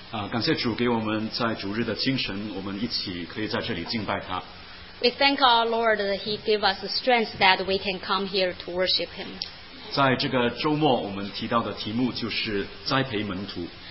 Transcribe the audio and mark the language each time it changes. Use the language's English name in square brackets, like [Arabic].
[Chinese] 感谢主给我们在主日的精神，我们一起可以在这里敬拜他。 [English] We thank our Lord that He gave us the strength that we can come here to worship Him. [Chinese] 在这个周末，我们提到的题目就是栽培门徒。